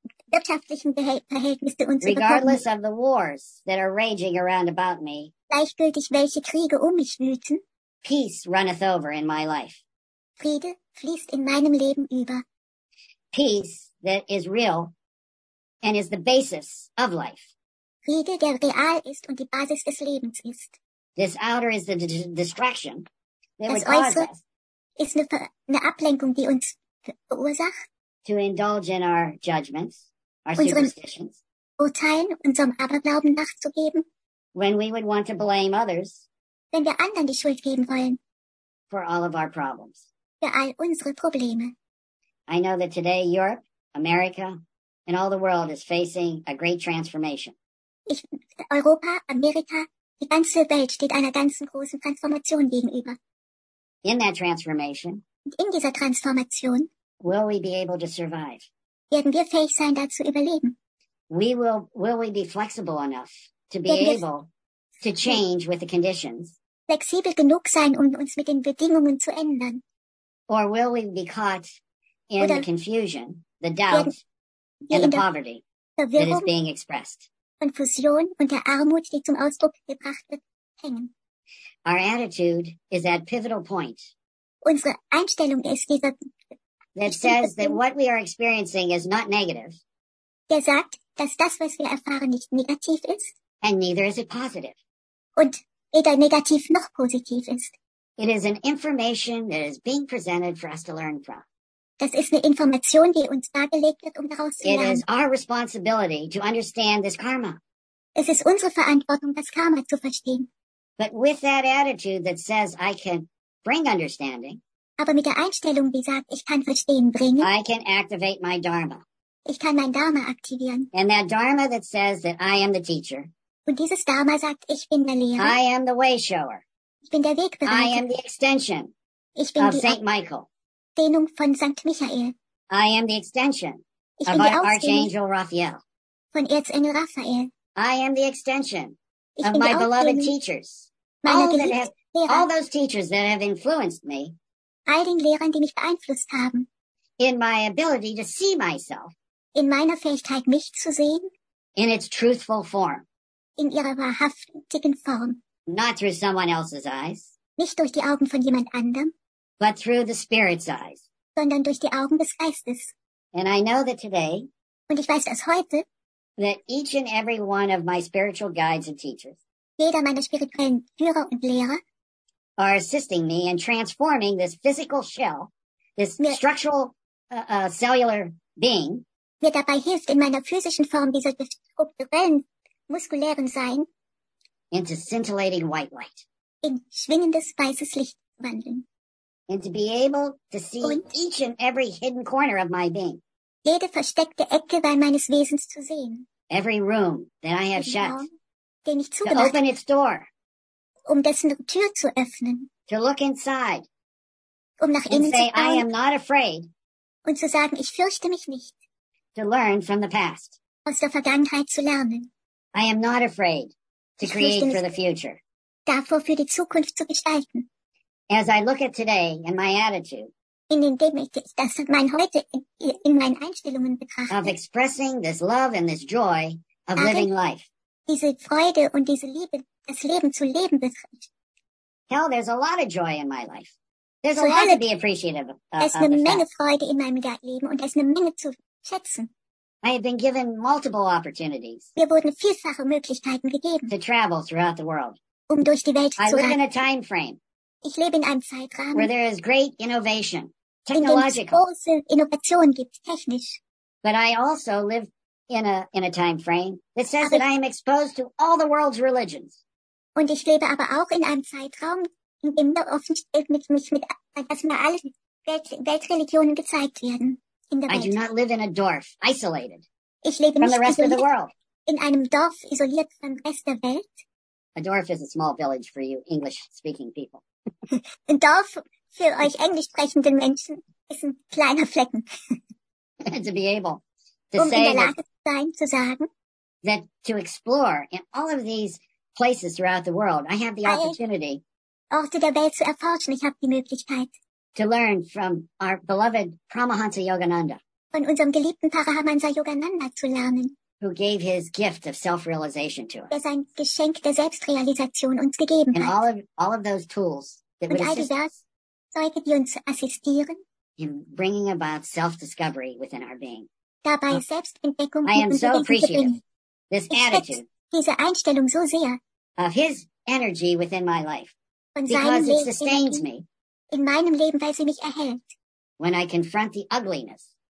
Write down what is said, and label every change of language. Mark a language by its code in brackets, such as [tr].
[de] Wirtschaftlichen Verhältnisse und so. [en] Regardless of the wars that are raging around about me. [de] Gleichgültig, welche Kriege um mich wüten. [en] Peace runneth over in my life. [de] Friede fließt in meinem Leben über. [en] Peace that is real and is the basis of life. [de] Friede, der real ist und die Basis des Lebens ist. [en] This outer is the distraction that [de] das [en] would cause [de] äußere [en] us [de] ist eine Ablenkung, die uns verursacht. [en] To indulge in our judgments, our [de] unseren [en] superstitions. [de] Urteilen, unserem Aberglauben nachzugeben. [en] When we would want to blame others. [de] Wenn wir anderen die Schuld geben wollen. [en] For all of our problems. [de] Für all unsere Probleme. [en] I know that today Europe, America and all the world is facing a great transformation. [de] Europa, Amerika, die ganze Welt steht einer ganzen großen Transformation gegenüber. [en] In that transformation, [de] in dieser Transformation, [en] will we be able to survive? [de] Werden wir fähig sein, dazu überleben? [en] Will we be flexible enough to be able to change with the conditions? [de] Flexibel genug sein, um uns mit den Bedingungen zu ändern? [en] Or will we be caught in the confusion, the doubt, and the poverty? that is being expressed. [de] Konfusion und der Armut, die zum Ausdruck gebracht wird, hängen. [en] Our attitude is that pivotal point. [de] Unsere Einstellung ist dieser. [en] That says that what we are experiencing is not negative. [de] Der sagt, dass das, was wir erfahren, nicht negativ ist. [en] And neither is it positive. [de] Und weder negativ noch positiv ist. [en] It is an information that is being presented for us to learn from. [de] Das ist eine Information, die uns dargelegt wird, um daraus zu lernen. [en] It is our responsibility to understand this karma. [de] Es ist unsere Verantwortung, das Karma zu verstehen. [en] But with that attitude that says I can bring understanding, [de] aber mit der Einstellung, die sagt, ich kann Verstehen bringen, [en] I can activate my dharma. [de] Ich kann mein Dharma aktivieren. [en] And that dharma that says that I am the teacher. [de] Und dieses Dharma sagt, ich bin der Lehrer. [en] I am the way shower. [de] Ich bin der Wegbereiter. [en] I am the extension [de] ich bin [en] of St. Michael. [de] Dehnung von St. Michael. [en] I am the extension [de] ich [en] of [de] bin die [en] Archangel Raphael. [de] Von Erzengel Raphael. [en] I am the extension [de] ich [en] of my beloved teachers. All those teachers that have influenced me. [de] All den Lehrern, die mich beeinflusst haben. [en] In my ability to see myself. [de] In meiner Fähigkeit, mich zu sehen. [en] In its truthful form. [de] In ihrer wahrhaftigen Form. [en] Not through someone else's eyes. [de] Nicht durch die Augen von jemand anderem. [en] But through the spirit's eyes. [de] Sondern durch die Augen des Geistes. [en] And I know that today. [de] Und ich weiß, dass heute. [en] That each and every one of my spiritual guides and teachers. [de] Jeder meiner spirituellen Führer und Lehrer. [en] Are assisting me in transforming this physical shell, this structural cellular being. [de] Mir dabei hilft, in meiner physischen Form dieser strukturellen, muskulären Sein. [en] Into scintillating white light. [de] In schwingendes weißes Licht wandeln. [en] And to be able to see [de] und [en] each and every hidden corner of my being. [de] Jede versteckte Ecke bei meines Wesens zu sehen. [en] Every room that I have shut. [de] Den ich zugemacht. [en] To open its door. [de] Um dessen Tür zu öffnen. [en] To look inside. [de] Um nach innen zu schauen. [en] And say, I am not afraid. [de] Und zu sagen, ich fürchte mich nicht. [en] To learn from the past. [de] Aus der Vergangenheit zu lernen. [en] I am not afraid to create for the future. [de] Davor für die Zukunft zu gestalten. [en] As I look at today and my attitude. [de] Indem ich das mein heute in meinen Einstellungen betrachte. [en] Of expressing this love and this joy of living life. [de] Diese Freude und diese Liebe, das Leben zu leben betrifft. [en] Hell, there's a lot of joy in my life. There's a lot to be appreciative of. [de] Es ist eine Menge Freude in meinem Leben und es ist eine Menge zu schätzen. [en] I have been given multiple opportunities. [de] Mir wurden vielfache Möglichkeiten gegeben. [en] To travel throughout the world. [de] Um durch die Welt zu reisen. [en] I live in a time frame. [de] Ich lebe in einem Zeitrahmen. [en] Where there is great innovation, technological. [de] In dem es große Innovation gibt, technisch. [en] But I also live in a time frame that says that I am exposed to all the world's religions. [de] Und ich lebe aber auch in einem Zeitraum, in dem mir offen steht, dass mir alle Weltreligionen gezeigt werden in der Welt. [en] I do not live in a dorf, isolated. [de] Ich lebe [en] from the rest of the world. [de] In einem Dorf, isoliert vom Rest der Welt. [en] A dorf is a small village for you English-speaking people. [de] Ein Dorf für euch Englisch sprechenden Menschen ist ein kleiner Flecken. [en] To be able to [de] um [en] say [de] in der Lage zu sein, zu sagen, [en] that to explore in all of these places throughout the world, I have the opportunity [de] Orte der Welt zu erforschen, ich habe die Möglichkeit [en] to learn from our beloved Paramahansa Yogananda, [de] von unserem geliebten Paramahansa Yogananda zu lernen, [en] who gave his gift of self-realization to us, [de] der sein Geschenk der Selbstrealisation uns gegeben [en] and [de] hat, [en] and all of those tools that [de] und all das Zeuge, die uns assistieren [en] in bringing about self-discovery within our being. [de] Dabei Selbstentdeckung [en] I am so appreciative. This attitude. [de] Diese Einstellung so sehr. [en] Of his energy within my life. [de] Von [en] because [de] Leben it sustains me. In meinem Leben, weil sie mich erhält. [en] When I confront the ugliness.